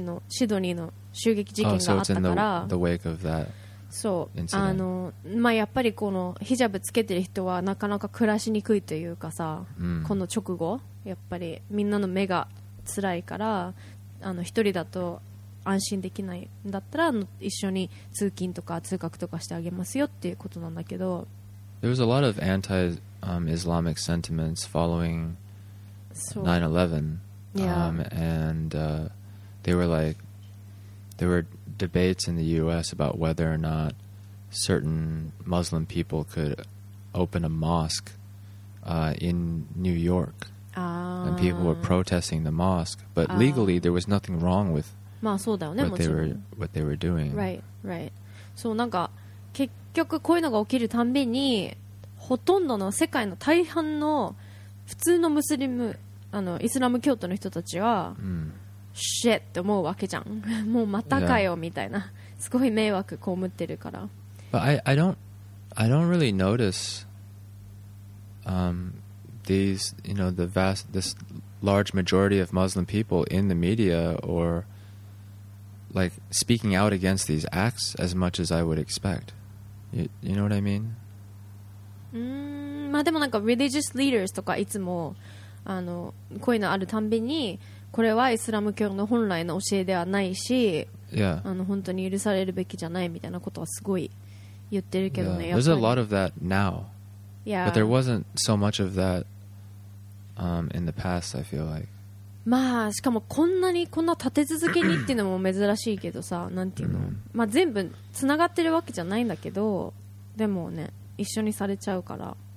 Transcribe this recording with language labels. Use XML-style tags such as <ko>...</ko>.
<ja>この15日のシドニーの襲撃事件があったから。</ja> <en>There was a lot of anti-Islamic sentiments following 9/11, there were debates in the U.S. about whether or not certain Muslim people could open a mosque in New York, and people were protesting the mosque. But legally, there was nothing wrong with what they were doing. Right, right. So,</en> <ja>なんか結局こういうのが起きるたびに。ほとんどの世界の大半の普通のムスリム、イスラム教徒の人たちは、シェッって思うわけじゃん。もうまたかよみたいな。すごい迷惑被ってるから。</ja> <en>But I don't really notice this large majority of Muslim people in the media or like speaking out against these acts as much as I would expect. You know what I mean?</en> <ja>でもなんか</ja> <en>religious leaders</en> <ja>とかいつもこういうのあるたんびにこれはイスラム教の本来の教えではないし、本当に許されるべきじゃないみたいなことはすごい言ってるけどね。</ja> <en>There's a lot of that now. Yeah. But there wasn't so much of that in the past, I feel like.</en> <ja>しかもこんな立て続けにっていうのも珍しいけどさ、なんていうの。全部つながってるわけじゃないんだけど、でもね、一緒にされちゃうから。</ja>